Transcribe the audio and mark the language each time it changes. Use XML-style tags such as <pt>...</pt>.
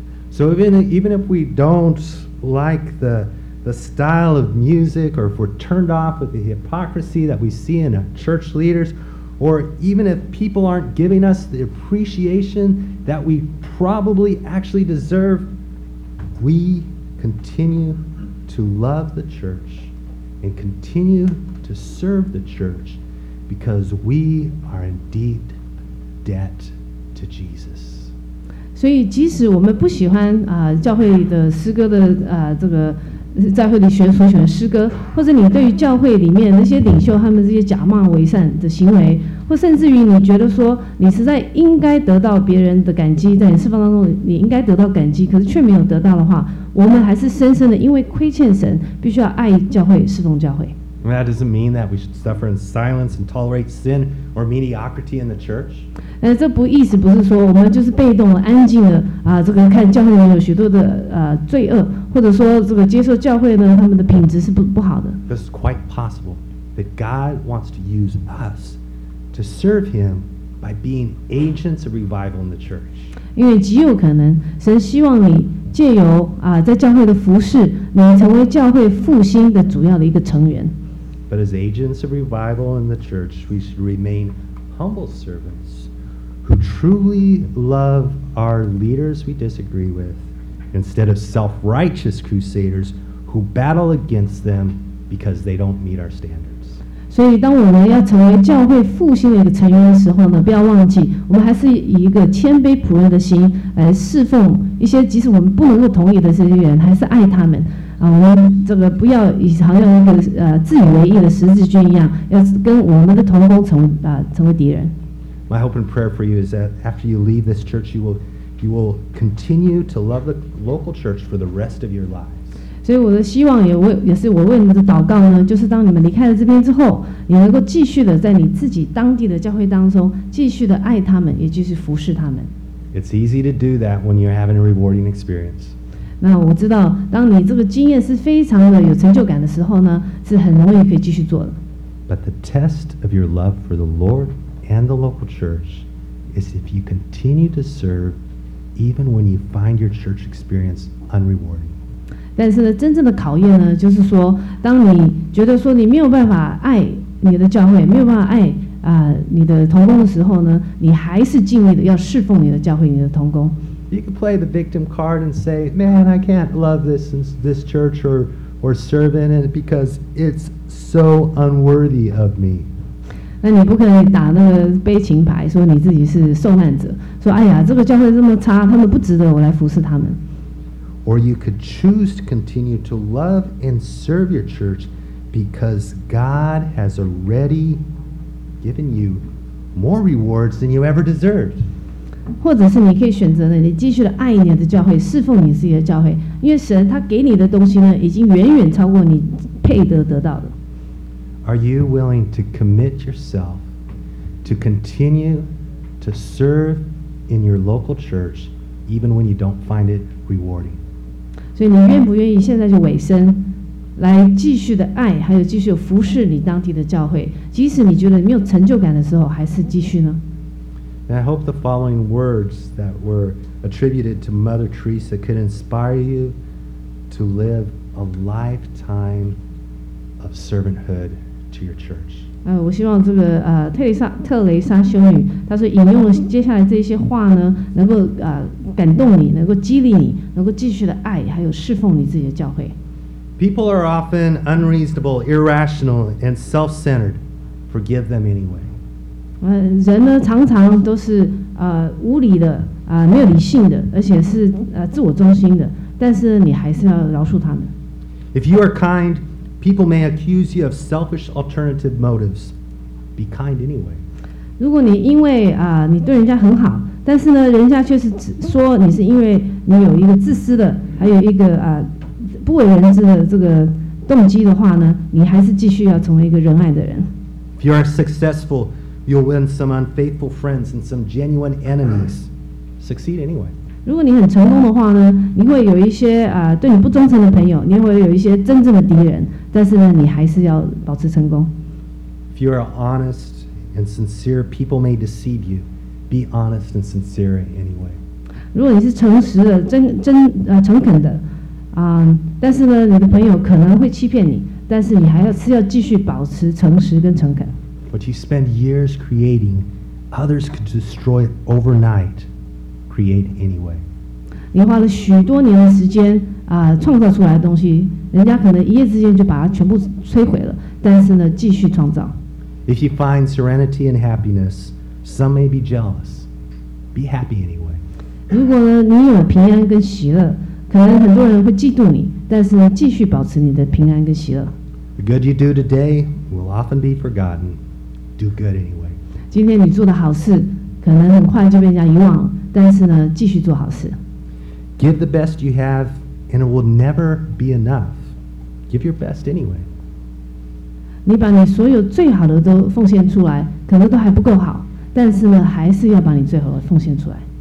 <en>So even if we don't like the style of music, or if we're turned off with the hypocrisy that we see in our church leaders, or even if people aren't giving us the appreciation that we probably actually deserve, we continue to love the church and continue to serve the church because we are indeed debt to Jesus.</en> <zh>所以即使我们不喜欢、教会的诗歌的、这个在会里学所选诗歌，或者你对于教会里面那些领袖他们这些假冒伪善的行为，或甚至于你觉得说你实在应该得到别人的感激，在你侍奉当中你应该得到感激，可是却没有得到的话，我们还是深深的因为亏欠神必须要爱教会侍奉教会。</zh> <en>That doesn't mean that we should suffer in silence and tolerate sin or mediocrity in the church.</en> <zh>这不意思不是说我们就是被动安静的、这个看教会里有许多的、罪恶，或者说这个接受教会的他们的品质是 不好的。</zh> <en>This is quite possible that God wants to use us to serve him by being agents of revival in the church.</en> <zh>因为极有可能神希望你借由、在教会的服事，你成为教会复兴的主要的一个成员。</zh> <en>But as agents of revival in the church, we should remain humble servants. Who truly love our leaders we disagree with instead of self-righteous crusaders who battle against them because they don't meet our standards.</en> <zh>所以当我们要成为教会复兴的一个成员的时候呢，不要忘记我们还是以一个谦卑仆人的心来侍奉一些即使我们不能够同意的这些人，还是爱他们。我们这个不要以好像一个、自以为意的十字军一样，要跟我们的同工 成为敌人。</zh> <en>My hope and prayer for you is that after you leave this church, you will continue to love the local church for the rest of your lives.</en> <zh>所以我的希望也是我为你们的祷告呢，就是当你们离开了这边之后，你能够继续的在你自己当地的教会当中继续的爱他们，也继续服侍他们。</zh> <en>It's easy to do that when you're having a rewarding experience.</en> <zh>那我知道，当你这个经验是非常的有成就感的时候呢，是很容易可以继续做的。</zh> <en>But the test of your love for the Lord. And the local church is if you continue to serve even when you find your church experience unrewarding.</en> <zh>但是呢，真正的考验呢，就是说，当你觉得说你没有办法爱你的教会，没有办法爱、你的同工的时候呢，你还是尽力的要侍奉你的教会，你的同工。</zh> <en>You can play the victim card and say, "Man, I can't love this church or serve in it because it's so unworthy of me."</en> <zh>那你不可以打那个悲情牌，说你自己是受难者，说哎呀，这个教会这么差，他们不值得我来服侍他们。</zh> <en>Or you could choose to continue to love and serve your church because God has already given you more rewards than you ever deserved.</en> <zh>或者是你可以选择呢，你继续的爱你的教会，侍奉你自己的教会，因为神他给你的东西呢，已经远远超过你配得得到的。</zh> <en>Are you willing to commit yourself to continue to serve in your local church even when you don't find it rewarding?</en> <zh>所以你愿不愿意现在就委身来继续的爱还有继续服侍你当地的教会，即使你觉得没有成就感的时候还是继续呢？</zh> <en>And I hope the following words that were attributed to Mother Teresa could inspire you to live a lifetime of servanthood. To your church.</en> <zh>我希望这个、特蕾莎修女，她说引用了接下来这些话呢，能够、感动你，能够激励你，能够继续的爱，还有侍奉你自己的教会。</zh> <en>People are often unreasonable, irrational, and self-centered. Forgive them anyway.</en> <zh>人呢常常都是、无理的、没有理性的，而且是、自我中心的。但是你还是要饶恕他们。</zh> <en>If you are kind. People may accuse you of selfish alternative motives. Be kind anyway.</en> <zh>如果你因为、你对人家很好，但是呢，人家却是说你是因为你有一个自私的，还有一个、不为人知的这个动机的话呢，你还是继续要成为一个仁爱的人。</zh> <en>If you are successful, you'll win some unfaithful friends and some genuine enemies. Succeed anyway.</en> <zh>如果你很成功的话呢，你会有一些、对你不忠诚的朋友，你会有一些真正的敌人，但是呢，你还是要保持成功。</zh> <en>you are honest and sincere, people may deceive you. Be honest and sincere anyway.</en> <zh>如果你是诚实的、诚恳的、但是呢，你的朋友可能会欺骗你，但是你还要是要继续保持诚实跟诚恳。</zh> <en>What you spend years creating, others could destroy it overnight. Create anyway.</en> <zh>你花了许多年的时间啊、创造出来的东西，人家可能一夜之间就把它全部摧毁了。但是呢，继续创造。</zh> <en>If you find serenity and happiness, some may be jealous. Be happy anyway.</en> <zh>如果呢，你有平安跟喜乐，可能很多人会嫉妒你。但是呢，继续保持你的平安跟喜乐。</zh> <en>The good you do today will often be forgotten. Do good anyway.</en> <zh>今天你做的好事，可能很快就被人家遗忘。但是呢，继续做好事。</zh> <en>Give the best you have, and it will never be enough. Give your best anyway.</en> <zh>你把你所有最好的都奉献出来，可能都还不够好，但是呢，还是要把你最好的奉献出来。</zh>